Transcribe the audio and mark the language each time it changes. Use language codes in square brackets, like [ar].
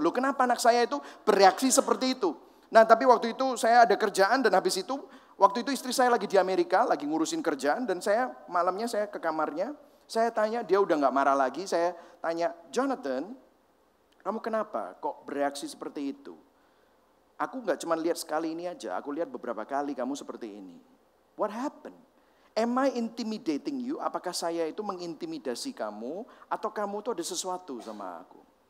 [id] Loh kenapa anak saya itu bereaksi seperti itu? Nah tapi waktu itu saya ada kerjaan dan habis itu waktu itu istri saya lagi di Amerika, lagi ngurusin kerjaan dan saya malamnya saya ke kamarnya, saya tanya dia udah nggak marah lagi, saya tanya Jonathan. Kamu kenapa kok bereaksi seperti itu? Aku gak cuma lihat sekali ini aja, aku lihat beberapa kali kamu seperti ini. [en] What happened? Am I intimidating you? [id] Apakah saya itu mengintimidasi kamu? Atau kamu tuh ada sesuatu sama aku?